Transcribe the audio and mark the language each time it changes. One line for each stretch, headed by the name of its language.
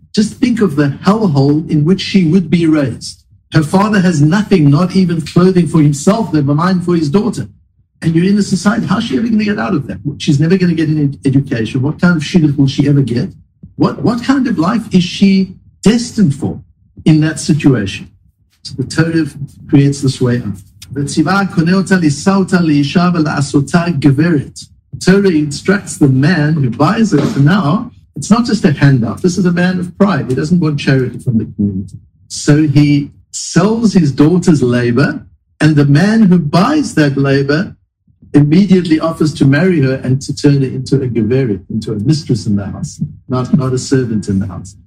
English: Just think of the hellhole in which she would be raised. Her father has nothing, not even clothing for himself, never mind for his daughter. And you're in the society, how is she ever going to get out of that? She's never going to get an education. What kind of shidduch will she ever get? What kind of life is she destined for in that situation? So the Torah creates this way out.
Hebrew: וציווה קונה אותה לישא אותה לאישה ולעשותה גברת.
English: Torah instructs the man who buys her for now, it's not just a handout, this is a man of pride, he doesn't want charity from the community. So he sells his daughter's labor, and the man who buys that labor immediately offers to marry her and to turn her into a geverit, into a mistress in the house, not a servant in the house.